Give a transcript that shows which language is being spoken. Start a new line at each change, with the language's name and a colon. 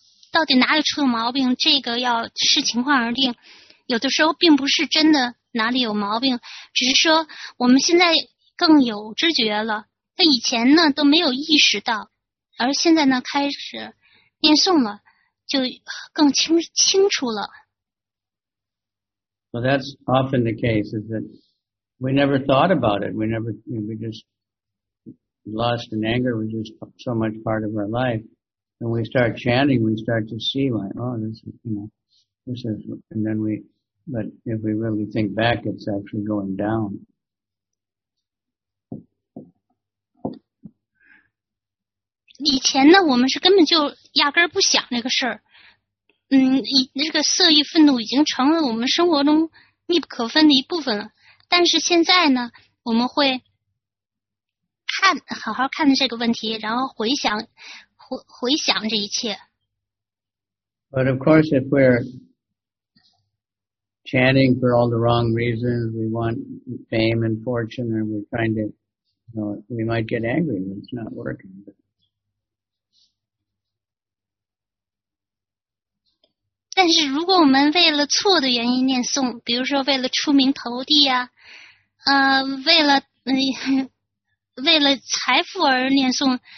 Chinese: 到底哪里出了毛病，这个要视情况而定。有的时候并不是真的哪里有毛病，只是说我们现在更有知觉了，以前呢都没有意识到，而现在呢开始念诵了，就更清楚了。
English: Well, that's often the case, is that we never thought about it. We just lust and anger was just so much part of our life. When we start chanting, we start to see like, oh, this is, you know, this is, and then we, but if we really think back, it's actually going down.
Chinese: 以前呢，我们是根本就压根儿不想这个事儿。这个色欲愤怒已经成了我们生活中密不可分的一部分了。但是现在呢，我们会看，好好看这个问题，然后回想。回想这一切。
English: But of course, if we're chanting for all the wrong reasons, we want fame and fortune, and we're trying to, you know, we might get angry when it's not working. But...
Chinese: 但是如果我们为了错的原因念诵，比如说为了出名投地啊，为了财富而念诵。